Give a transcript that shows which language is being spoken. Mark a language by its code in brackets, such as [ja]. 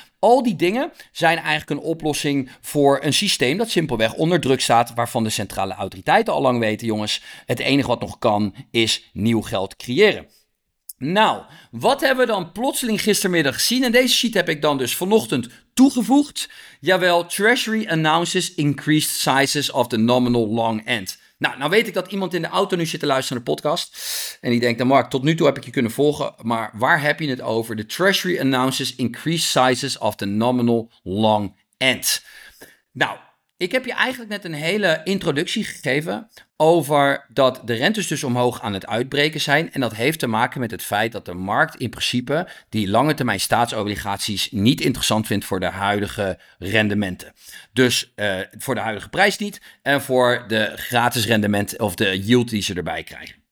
[nl] Al die dingen zijn eigenlijk een oplossing voor een systeem dat simpelweg onder druk staat, waarvan de centrale autoriteiten al lang weten, jongens, het enige wat nog kan is nieuw geld creëren. Nou, wat hebben we dan plotseling gistermiddag gezien? En deze sheet heb ik dan dus vanochtend toegevoegd. Jawel, [en] Treasury announces increased sizes of the nominal long end. [nl] Nou weet ik dat iemand in de auto nu zit te luisteren naar de podcast. En die denkt, nou Mark, tot nu toe heb ik je kunnen volgen. Maar waar heb je het over? [en] The Treasury announces increased sizes of the nominal long end. [nl] Nou, ik heb je eigenlijk net een hele introductie gegeven over dat de rentes dus omhoog aan het uitbreken zijn. En dat heeft te maken met het feit dat de markt in principe die lange termijn staatsobligaties niet interessant vindt voor de huidige rendementen. Dus voor de huidige prijs niet en voor de gratis rendement of de yield die ze erbij krijgen.